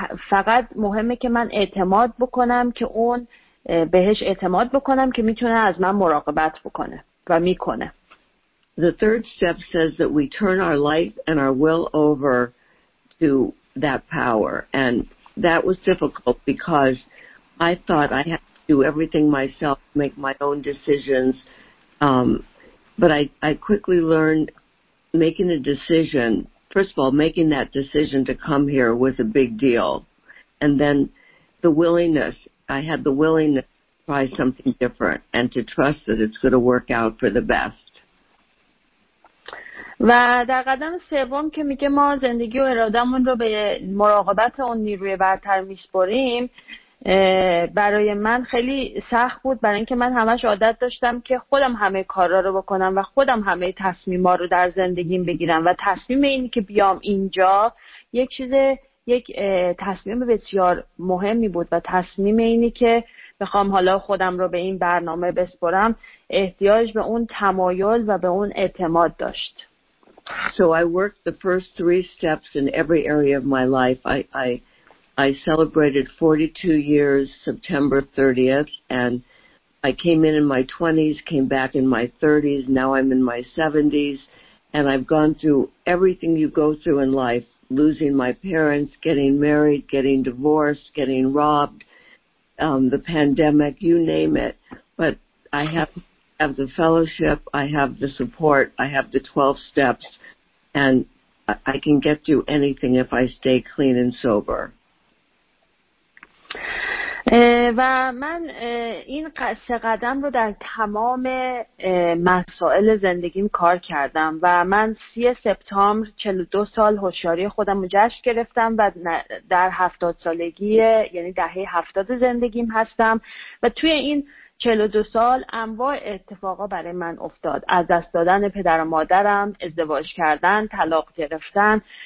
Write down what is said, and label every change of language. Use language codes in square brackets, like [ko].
[fa] فقط مهمه که من اعتماد بکنم که اون بهش اعتماد بکنم که میتونه از من مراقبت بکنه و میکنه. [en] The third step says that we turn our life and our will over to that power, and that was difficult because I thought I had to do everything myself, make my own decisions, but I quickly learned making a decision, first of all, making that decision to come here was a big deal, and then the willingness, I had the willingness to try something different and to trust that it's going to work out for the best. [fa] و در قدم سوم که میگه ما زندگی و ارادمون رو به مراقبت اون نیروی برتر میسپاریم، برای من خیلی سخت بود، برای اینکه من همش عادت داشتم که خودم همه کارا رو بکنم و خودم همه تصمیما رو در زندگیم بگیرم و تصمیم این که بیام اینجا یک تصمیم بسیار مهمی بود و تصمیم اینی که بخوام حالا خودم رو به این برنامه بسپارم احتیاج به اون تمایل و به اون اعتماد داشت. [en] So I worked the first 3 steps in every area of my life. I celebrated 42 years September 30th, and I came in my 20s, came back in my 30s, now I'm in my 70s, and I've gone through everything you go through in life, losing my parents, getting married, getting divorced, getting robbed, the pandemic, you name it. But I have the fellowship, I have the support, I have the 12 steps, and I can get through anything if I stay clean and sober. [fa] و من این سه قدم رو در تمام مسائل زندگیم کار کردم و من 30 سپتامبر 42 سال هوشیاری خودم رو جشن گرفتم و در 70 سالگی یعنی دهه 70 زندگیم هستم و توی این 42 سال انواع اتفاقا برای من افتاد، از دست دادن پدر و مادرم، ازدواج کردن، طلاق گرفتن،